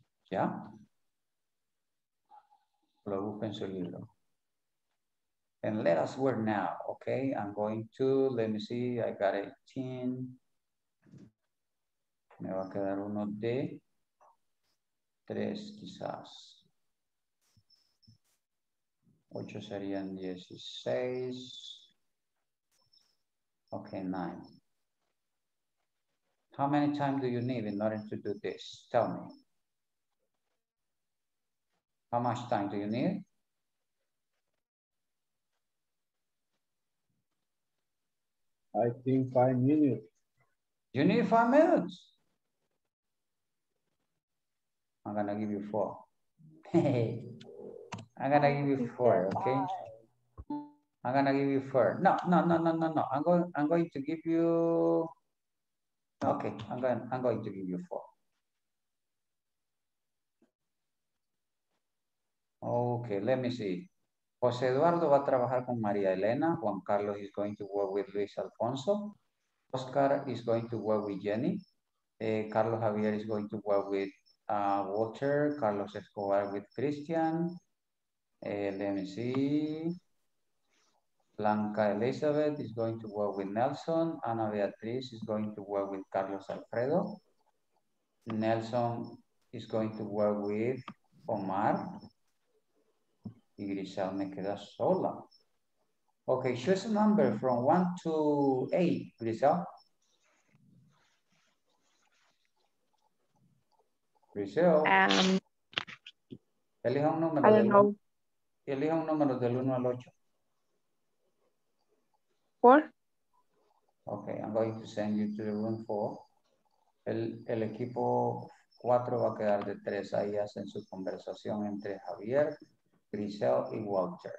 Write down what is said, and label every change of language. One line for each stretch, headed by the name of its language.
Spanish: ¿Ya? Lo busco en su libro.
English: And let us work now, okay? I'm going to, let me see, I got 18.
Spanish: Me va a quedar uno de tres, quizás. Ocho serían 16. Okay, 9.
English: How many times do you need in order to do this? Tell me. How much time do you need? I think 5 minutes. You need 5 minutes? I'm gonna give you 4. Hey, I'm gonna give you 4, okay? I'm gonna give you 4. No. I'm going to give you, okay, I'm going to give you 4. Okay, let me see.
Spanish: José Eduardo va a trabajar con María Elena.
English: Juan Carlos is going to work with Luis Alfonso. Oscar is going to work with Jenny. Carlos Javier is going to work with Walter. Carlos Escobar with Christian. Let me see. Blanca Elizabeth is going to work with Nelson. Ana Beatriz is going to work with Carlos Alfredo. Nelson is going to work with Omar.
Spanish: Y Grisel me queda sola.
English: Okay, choose a number from 1 to 8, Grisel.
Spanish: Grisel. Elija un número. Elija un número del 1 al 8. 4.
English: Okay, I'm going to send you to the room 4.
Spanish: El equipo 4 va a quedar de 3. Ahí hacen su conversación entre Javier, Grisel y Walter.